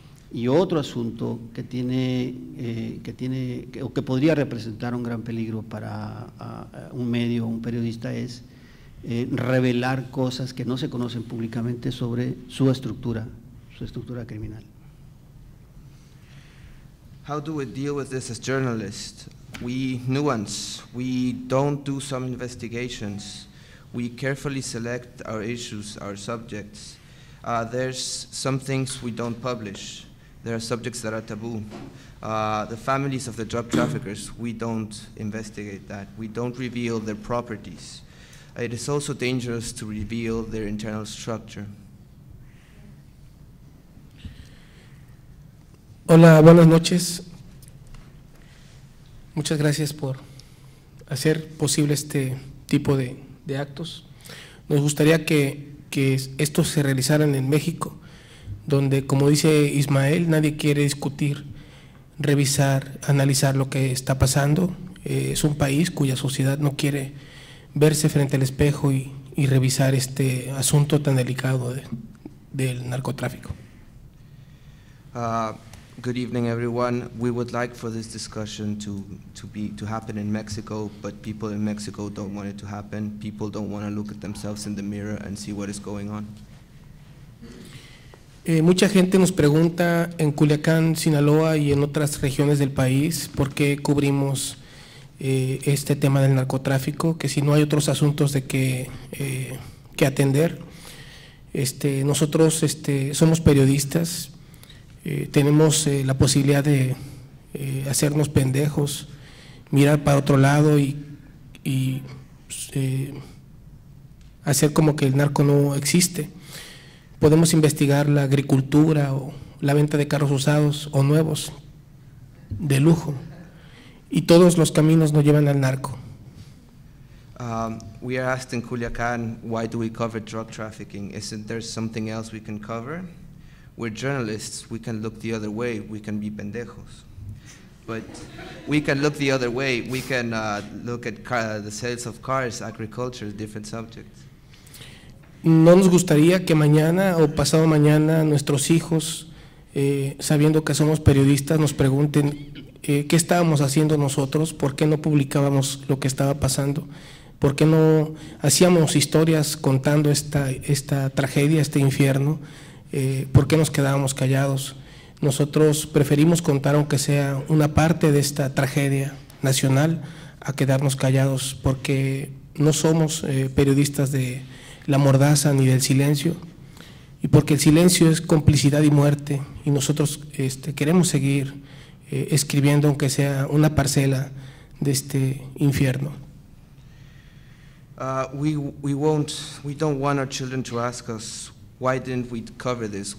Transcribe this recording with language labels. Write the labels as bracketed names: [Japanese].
[Spanish] Y otro asunto que podría representar un gran peligro para un medio, un periodista, es revelar cosas que no se conocen públicamente sobre su estructura criminal. [English] How do we deal with this as journalists? We nuance. We don't do some investigations. We carefully select our issues, our subjects. There's some things we don't publish. There are subjects that are taboo. The families of the drug traffickers, we don't investigate that. We don't reveal their properties. It is also dangerous to reveal their internal structure. [Spanish] Hola, buenas noches. Muchas gracias por hacer posible este tipo de actos. Nos gustaría que estos se realizaran en México, donde, como dice Ismael, nadie quiere discutir, revisar, analizar lo que está pasando. Es un país cuya sociedad no quiere verse frente al espejo y revisar este asunto tan delicado del narcotráfico. [English] Good evening, everyone. We would like for this discussion to happen in Mexico, but people in Mexico don't want it to happen. People don't want to look at themselves in the mirror and see what is going on. [Spanish] Mucha gente nos pregunta en Culiacán, Sinaloa y en otras regiones del país por qué cubrimos este tema del narcotráfico, que si no hay otros asuntos de que atender. Nosotros somos periodistas. Tenemos la posibilidad de hacernos pendejos, mirar para otro lado y hacer como que el narco no existe. Podemos investigar la agricultura o la venta de carros usados o nuevos, de lujo, y todos los caminos nos llevan al narco. [English] We are asked in Culiacán, why do we cover drug trafficking? Isn't there something else we can cover? We're journalists, we can look the other way, we can be pendejos. But we can look the other way, we can look at the sales of cars, agriculture, different subjects. [Spanish] No nos gustaría que mañana o pasado mañana nuestros hijos, sabiendo que somos periodistas, nos pregunten qué estábamos haciendo nosotros, por qué no publicábamos lo que estaba pasando, por qué no hacíamos historias contando esta tragedia, este infierno. ¿Por qué nos quedábamos callados? Nosotros preferimos contar, aunque sea una parte de esta tragedia nacional, a quedarnos callados, porque no somos periodistas de la mordaza ni del silencio. y porque el silencio es complicidad y muerte, y nosotros queremos seguir escribiendo, aunque sea una parcela de este infierno. [English] We don't want our children to ask us, why didn't we cover this?